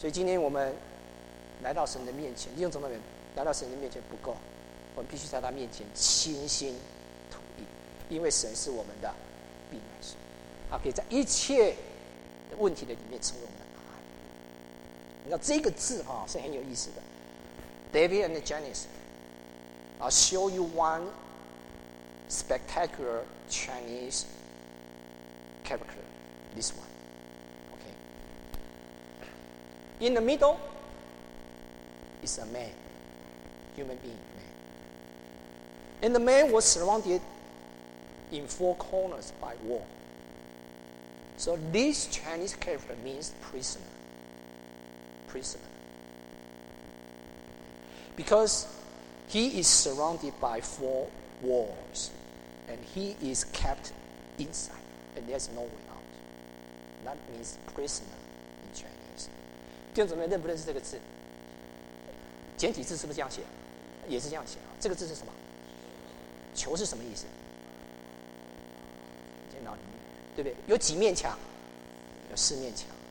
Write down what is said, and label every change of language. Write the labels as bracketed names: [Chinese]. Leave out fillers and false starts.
[Chinese] 所以今天我们来到神的面前，弟兄姊妹们，来到神的面前不够，我们必须在他面前倾心吐意，因为神是我们的避难所，他可以在一切的问题的里面成为我们的答案。你知道这个字哈，是很有意思的。 [English] David and Janice, I'll show you one spectacular Chinese character, this one. Okay. In the middle is a man, human being, man. And the man was surrounded in four corners by wall. So this Chinese character means prisoner. Prisoner. Because he is surrounded by four walls and he is kept inside and there's no way out. That means prisoner in Chinese. [Chinese] 弟兄姊妹认不认识这个字？简体字是不是这样写？也是这样写啊。这个字是什么？求是什么意思？电脑里面，对不对？有几面墙？有四面墙。